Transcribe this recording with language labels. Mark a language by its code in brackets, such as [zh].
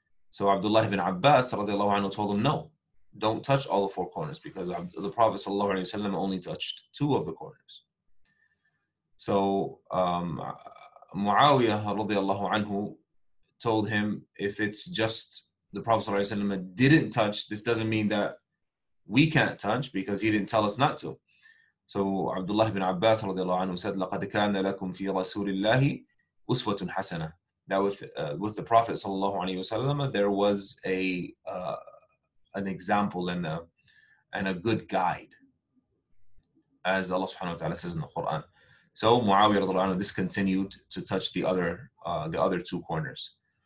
[en] So Abdullah ibn Abbas radiallahu anhu told him, no, don't touch all the four corners, because the Prophet sallallahu alayhi wa sallam only touched two of the corners. So Muawiyah radiallahu anhu told him, if it's just the Prophet sallallahu alayhi wa sallam didn't touch, this doesn't mean that we can't touch because he didn't tell us not to. So Abdullah ibn Abbas radiallahu anhu said, [ar] لَقَدْ كَانَ لَكُمْ فِي رَسُولِ اللَّهِ أُسْوَةٌ حَسَنَةٌ. [en] That with the Prophet sallallahu alayhi wa sallam, there was an example and a good guide, as Allah subhanahu wa ta'ala says in the Quran. So Muawiyah radiallahu anhu discontinued to touch the other two corners.